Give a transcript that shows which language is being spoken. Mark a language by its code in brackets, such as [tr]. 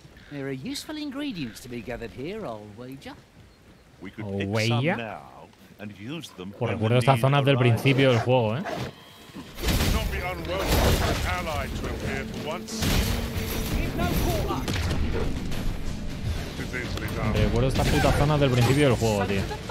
[en] There are useful ingredients to be gathered here, I'll wager. We could pick some now and use them. [es] Pues recuerdo estas zonas del principio del juego, ¿eh? [en] Not be unwelcome for an ally to appear for once. Give no quarter. [es] Recuerdo estas putas zonas del principio del juego, tío.